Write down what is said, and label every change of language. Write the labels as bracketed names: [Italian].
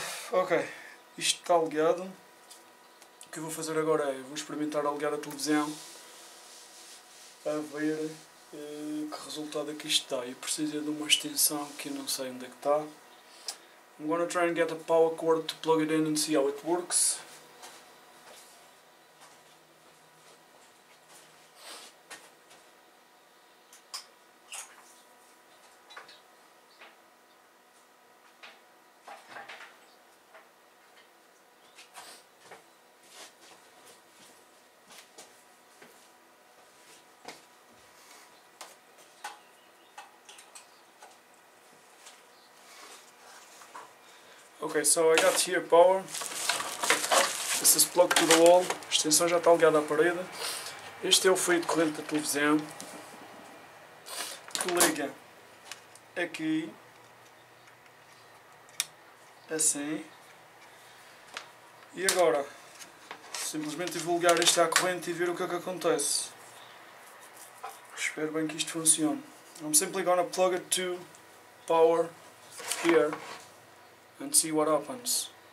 [Portuguese] Ok, isto está ligado. que eu vou fazer agora é, vou experimentar a ligar a televisão a ver que resultado é que isto está. Eu preciso de uma extensão que eu não sei onde é que está. [English] I'm gonna try and get a power cord to plug it in and see how it works. Okay, so I got here power. This is plugged to the wall. [Portuguese] A extensão já está ligada à parede. Este é o fio de corrente da televisão que liga aqui assim. E agora simplesmente vou ligar isto à corrente e ver o que é que acontece. Espero bem que isto funcione. [English] I'm simply gonna plug it to power here and see what happens.